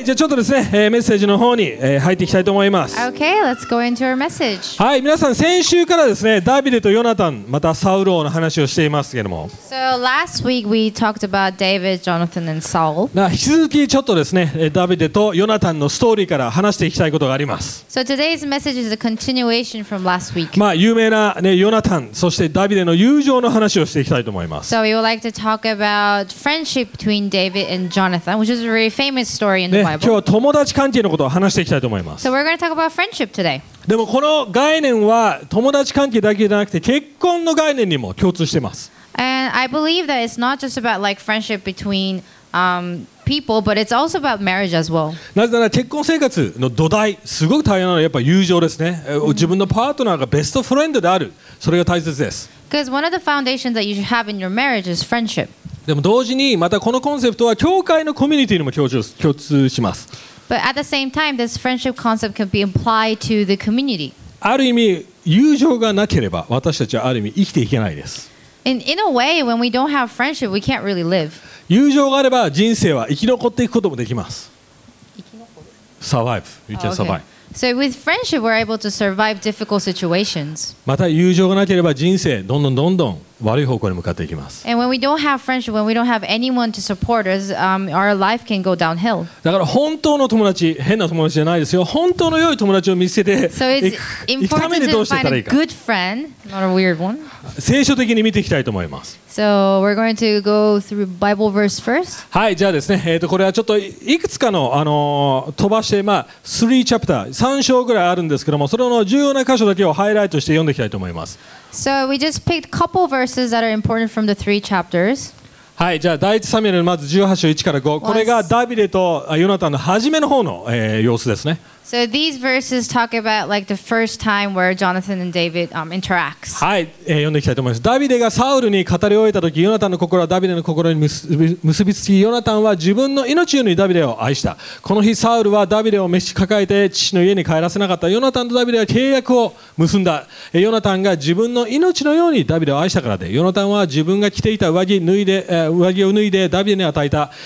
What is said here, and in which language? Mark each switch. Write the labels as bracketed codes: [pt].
[ja] じゃあちょっとですね、メッセージの方に、入っていきたいと思います。 [en] Okay, let's go into our message. [ja] はい、皆さん先週からですね、ダビデとヨナタン、またサウル王の話をしていますけども。 [en] So last week we talked about David, Jonathan, and Saul. [ja] 引き続きちょっとですね、ダビデとヨナタンのストーリーから話していきたいことがあります。 [en] So today's message is a continuation from last week. [ja] まあ有名なね、ヨナタン、そしてダビデの友情の話をしていきたいと思います。 [en] So we would like to talk about friendship between David and Jonathan, which is a very famous story in the Bible. [ja] 今日は友達関係のことを話していきたいと思います。 [en] So we're going to talk about friendship today. [ja] でもこの概念は友達関係だけじゃなくて結婚の概念にも共通しています。 [en] And I believe that it's not just about like friendship between people, but it's also about marriage as well. [ja] なぜなら結婚生活の土台、すごく大切なのはやっぱ友情ですね。 Mm-hmm. 自分のパートナーがベストフレンドである、それが大切です。 [en] Because one of the foundations that you should have in your marriage is friendship. [ja] でも同時にまたこのコンセプトは教会のコミュニティにも共通します。 [en] But at the same time, this friendship concept can be applied to the community. [ja] ある意味友情がなければ私たちはある意味生きていけないです。 [en] In a way, when we don't have friendship, we can't really live. [ja] 友情があれば人生は生き残っていくこともできます。生き残る。 [en] Survive. You can survive. Okay. So with friendship, we're able to survive difficult situations. [ja] また友情がなければ人生どんどんどんどん悪い方向に向かっていきます。 [en] And when we don't have friendship, when we don't have anyone to support us, our life can go downhill. [ja] だから本当の友達、変な友達じゃないですよ。本当の良い友達を見つけて、 [en] so it's important to find a good friend, not a weird one. [ja] 聖書的に見ていきたいと思います。 [en] So we're going to go through Bible verse first. [ja] はい、じゃあですね、これはちょっといくつかの飛ばして、まあ3チャプター、3章ぐらいあるんですけども、それの重要な箇所だけをハイライトして読んでいきたいと思います。 [en] So we just picked a couple of verses that are important from the three chapters. [ja] はい、じゃあ第一サムエルまず18章1から5。これがダビデとヨナタンの初めの方の、様子ですね。 [en] So these verses talk about like the first time where Jonathan and David interacts. [ja] はい、読んでいきたいと思います。ダビデがサウルに語り終えた時、ヨナタンの心はダビデの心に結びつき、ヨナタンは自分の命よりダビデを愛した。この日サウルはダビデを召し抱えて父の家に帰らせなかった。ヨナタンとダビデは契約を結んだ。ヨナタンが自分の命のようにダビデを愛したからで、ヨナタンは自分が着ていた上着脱いで、上着を脱いでダビデに与えた。